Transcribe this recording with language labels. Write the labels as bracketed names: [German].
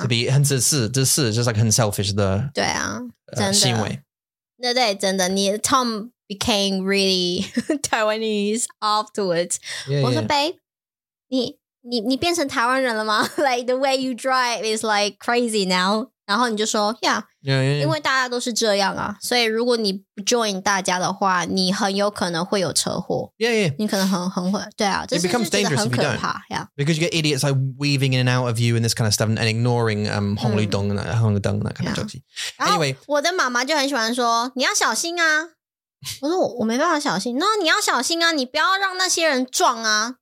[English] To be 很自私, just like 很 selfish 的, [Chinese] 对啊, 行为. [English] 对，真的。你, Tom became really Taiwanese afterwards. Yeah, [Chinese] 我说, babe, 你变成台湾人了吗? [English] Like the way you drive is like crazy now. [Chinese] 然后你就说, yeah. 因为大家都是这样啊, 所以如果你不join大家的话, 你很有可能会有车祸。 [English] Yeah, yeah. [Chinese] 你可能很会, 对啊, [English] it becomes dangerous if you don't. Yeah. Because you get idiots like weaving in and out of you and this kind of stuff and ignoring Hong Lu Dong and that kind of junkie. Anyway. [Chinese] 我的妈妈就很喜欢说, 你要小心啊。我说我没办法小心。那你要小心啊, 你不要让那些人撞啊。